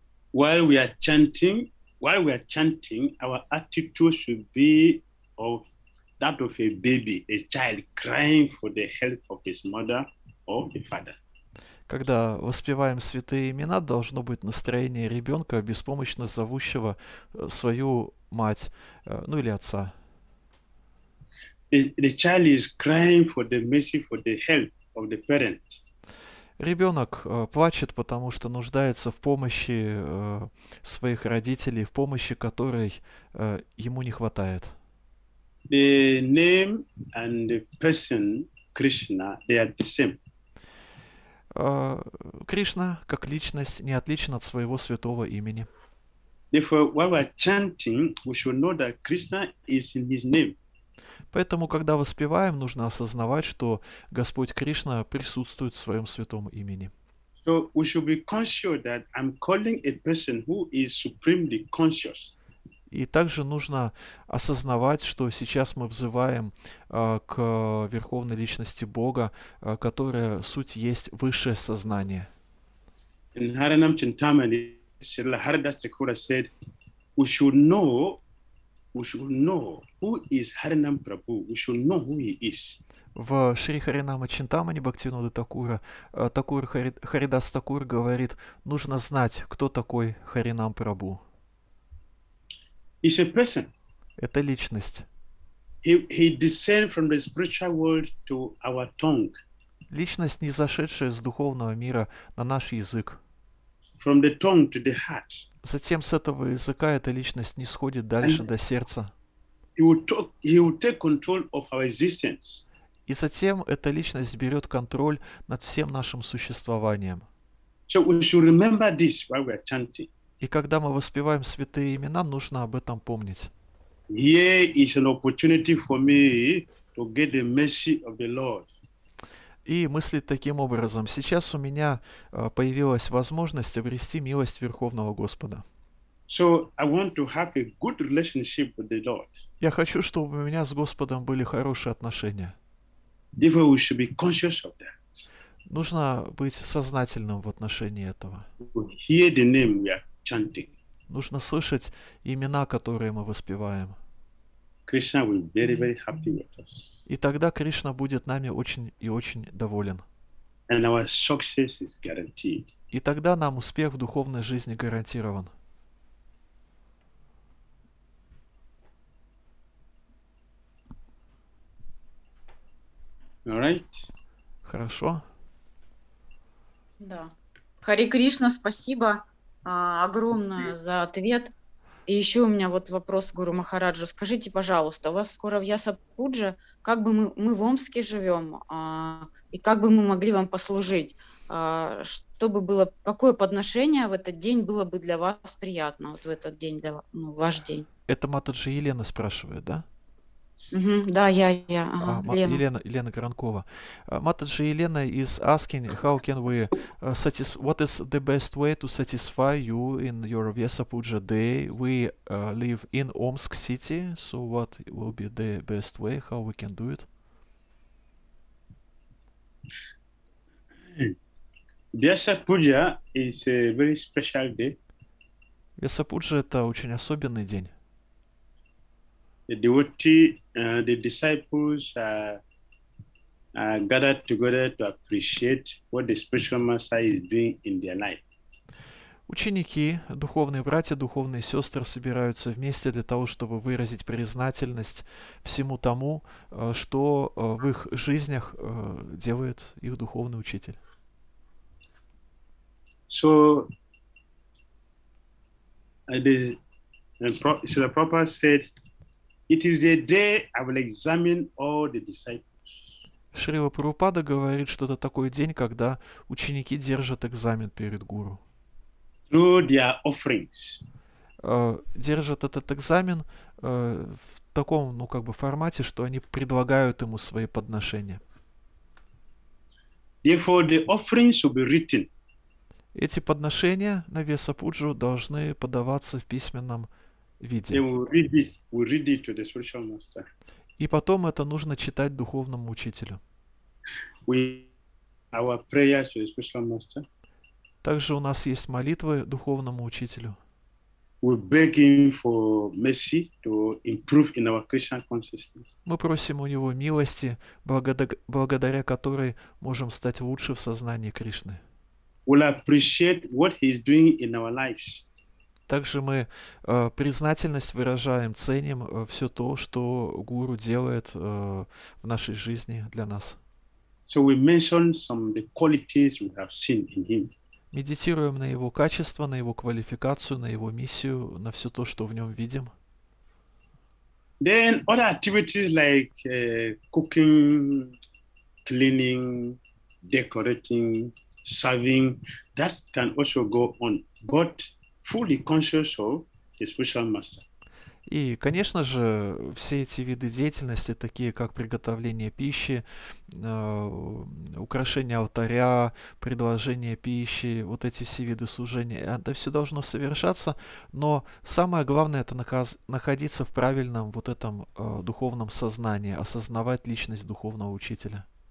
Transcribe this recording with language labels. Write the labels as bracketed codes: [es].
[en] While we are chanting, while we are chanting, our attitude should be of that of a baby, a child crying for the help of his mother or the father. [ru] Когда воспеваем святые имена, должно быть настроение ребенка, беспомощно зовущего свою мать, ну или отца. [en] The child is crying for the mercy, for the help of the parent. [ru] Ребенок плачет, потому что нуждается в помощи своих родителей, в помощи, которой ему не хватает. [en] The name and the person, Krishna, they are the same. [ru] Кришна, как личность, не отличен от своего святого имени. [en] Therefore, while we're chanting, we should know that Krishna is in his name. [ru] Поэтому, когда воспеваем, нужно осознавать, что Господь Кришна присутствует в своем святом имени. [en] So we should be conscious that I'm calling a person who is supremely conscious. [ru] И также нужно осознавать, что сейчас мы взываем к Верховной Личности Бога, которая суть есть высшее сознание. [en] In Haranam Chintamani, Srila Haridas Thakura said, we should know. We should know who is Harinam Prabhu. We should know who he is. [ru] В Шри Харинама Чинтамани Бхактивинода Такура, Такур Харидас Такур говорит, нужно знать, кто такой Харинам Прабу. [en] He's a person. [ru] Это личность. [en] He descend from the spiritual world to our tongue. [ru] Личность, не зашедшая с духовного мира на наш язык. [en] From the tongue to the heart. [ru] Затем с этого языка эта личность не сходит дальше до сердца. И затем эта личность берет контроль над всем нашим существованием. [en] So we should remember this while we are chanting. [ru] И когда мы воспеваем святые имена, нужно об этом помнить. [en] Here is an opportunity for me to get the mercy of the Lord. [ru] И мыслить таким образом. Сейчас у меня появилась возможность обрести милость Верховного Господа. [en] So I want to have a good relationship with the Lord. [ru] Я хочу, чтобы у меня с Господом были хорошие отношения. [en] Therefore, we should be conscious of that. [ru] Нужно быть сознательным в отношении этого. [en] Hear the name we are chanting. [ru] Нужно слышать имена, которые мы воспеваем. [en] Krishna will be very, very happy with us. [ru] И тогда Кришна будет нами очень и очень доволен. [en] And our success is guaranteed. [ru] И тогда нам успех в духовной жизни гарантирован. [en] All right. [ru] Хорошо. Да. Хари Кришна, спасибо огромное за ответ. И еще у меня вот вопрос к Гуру Махараджу. Скажите, пожалуйста, у вас скоро в Ясапудже, как бы мы в Омске живем, и как бы мы могли вам послужить? Чтобы было, какое подношение в этот день было бы для вас приятно, вот в этот день, для, ну, ваш день? Это Матаджи Елена спрашивает, да? Да, я. Елена Гранкова. [en] Матаджи Елена is asking, how can we what is the best way to satisfy you in your Vyasapuja day? We live in Omsk city, so what will be the best way, how we can do it? Vyasapuja is a very special day. [ru] Vyasapuja – это очень особенный день. [en] The devotee, the disciples are gathered together to appreciate what the spiritual master is doing in their life. [ru] Ученики, духовные братья, духовные сестры собираются вместе для того, чтобы выразить признательность всему тому, что в их жизнях делает их духовный учитель. [en] So, as the Prabhupada said, it is the day I will examine all the disciples. [ru] Шрила Прабхупада говорит, что это такой день, когда ученики держат экзамен перед гуру. [en] Through their offerings. [ru] Держат этот экзамен в таком, ну как бы формате, что они предлагают ему свои подношения. [en] Therefore, the offerings will be written. [ru] Эти подношения на Вьясапуджу должны подаваться в письменном виде. [en] We'll read it to the spiritual master. [ru] И потом это нужно читать духовному учителю. [en] Our prayers to the spiritual master. [ru] Также у нас есть молитвы духовному учителю. [en] We beg him for mercy to improve in our Christian consciousness. [ru] Мы просим у него милости, благодаря которой можем стать лучше в сознании Кришны. [en] We'll appreciate what he's doing in our lives. [ru] Также мы признательность выражаем, ценим все то, что гуру делает в нашей жизни для нас. [en] So we mention some of the qualities we have seen in him. [ru] Медитируем на его качество, на его квалификацию, на его миссию, на все то, что в нем видим. [en] Then other activities like cooking, cleaning, decorating, serving, that can also go on, but fully conscious of the spiritual master. [ru] И, конечно же, все эти виды деятельности, такие как приготовление пищи, украшение алтаря, предложение пищи, вот эти все виды служения, это все должно совершаться, но самое главное — это находиться в правильном вот этом духовном сознании, осознавать личность духовного учителя.